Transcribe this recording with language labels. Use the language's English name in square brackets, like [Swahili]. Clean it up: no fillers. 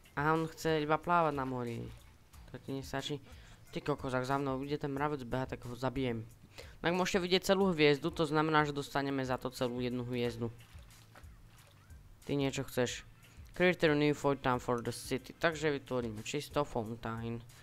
[Slovak] A on chce iba plávať na mori. To ti nestačí. Ty kokos, ak za mnou bude ten mravec behať, tak ho zabijem. Tak môžete vidieť celú hviezdu, to znamená, že dostaneme za to celú jednu hviezdu. Ty niečo chceš. [English] Create a new fountain for the city. [Slovak] Takže vytvoríme čisto fountain.